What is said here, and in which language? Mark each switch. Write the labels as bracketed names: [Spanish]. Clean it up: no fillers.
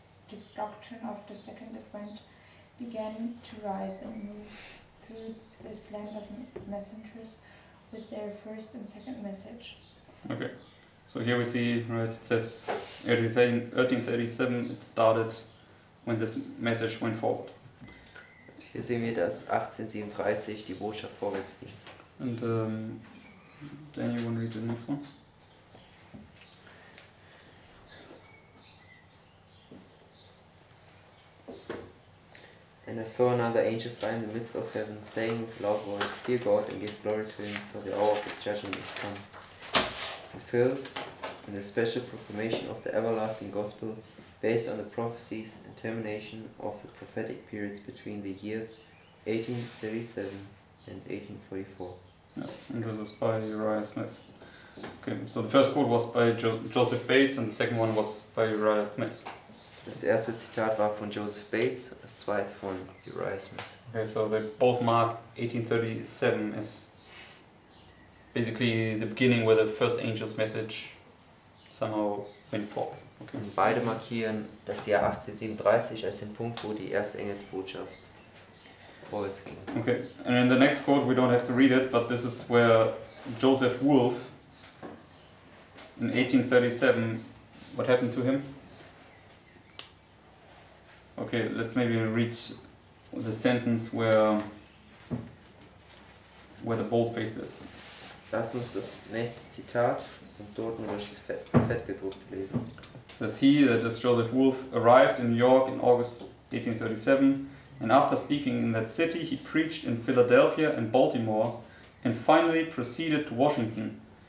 [English] the doctrine of the second advent began to rise and move through this land of messengers with their first and second message. Okay, so here we see, right, it says 1837 it started when this message went forward. [German] Also hier sehen wir, dass 1837 die Botschaft vorwärts ging. [English] And then you want to read the next one? And I saw another angel fly in the midst of heaven, saying with a loud voice, "Fear God and give glory to him, for the hour of his judgment is come." Fulfilled in the special proclamation of the everlasting gospel, based on the prophecies and termination of the prophetic periods between the years 1837 and 1844. Yes, and this is by Uriah Smith. Okay, so the first quote was by Joseph Bates and the second one was by Uriah Smith. [German] Das erste Zitat war von Joseph Bates, das zweite von Uriah Smith. [English] Okay, so they both mark 1837 as basically the beginning where the first angel's message somehow went forth. Okay. [German] Und beide markieren das Jahr 1837 als den Punkt, wo die erste Engelsbotschaft vorwärts ging. [English] Okay, and in the next quote, we don't have to read it, but this is where Joseph Wolf in 1837, what happened to him? Okay, let's maybe read the sentence where the boldface is. [German] Lass uns das nächste Zitat vom Toten durch das Fettgedruckte lesen. [English] Says he, that is Joseph Wolfe, arrived in New York in August 1837, and after speaking in that city, he preached in Philadelphia and Baltimore, and finally proceeded to Washington.